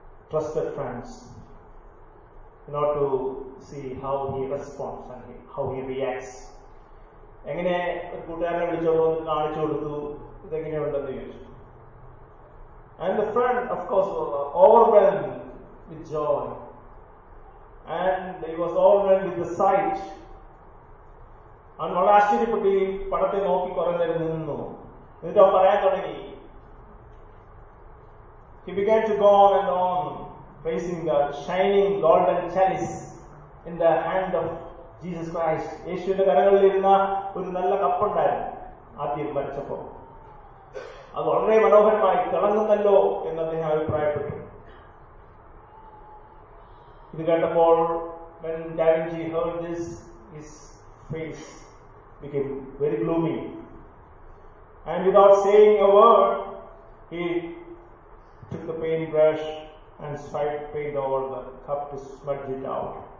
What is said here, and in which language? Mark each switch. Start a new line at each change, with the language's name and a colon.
English: Trusted friends in order to see how he responds and how he reacts.
Malayalam: എങ്ങനെ കൂട്ടുകാരനെ വിളിച്ചപ്പോൾ കാണിച്ചു കൊടുത്തു ഇതെങ്ങനെയുണ്ടെന്ന് ചോദിച്ചു.
English: And the friend of course overwhelmed with joy and he was overwhelmed with the sight.
Malayalam: അവൻ ആശ്ചര്യപ്പെട്ടു ഈ പടത്തെ നോക്കി കുറെ നേരം നിന്നു. എന്നിട്ട് അവൻ പറയാൻ തുടങ്ങി.
English: He began to go on and on, praising the shining golden chalice in the hand of Jesus Christ.
Malayalam: യേശുവിന്റെ കരങ്ങളിലിരുന്ന ഒരു നല്ല കപ്പുണ്ടായിരുന്നു ആദ്യം മരിച്ചപ്പോൾ. അത് വളരെ മനോഹരമായി തിളങ്ങുന്നല്ലോ എന്ന് അദ്ദേഹം അഭിപ്രായപ്പെട്ടു. ഇത് കേട്ടപ്പോൾ
English: when Da Vinci heard this, his face became very gloomy. And without saying a word, he took the paintbrush and swiped paint over the cup to smudge it out.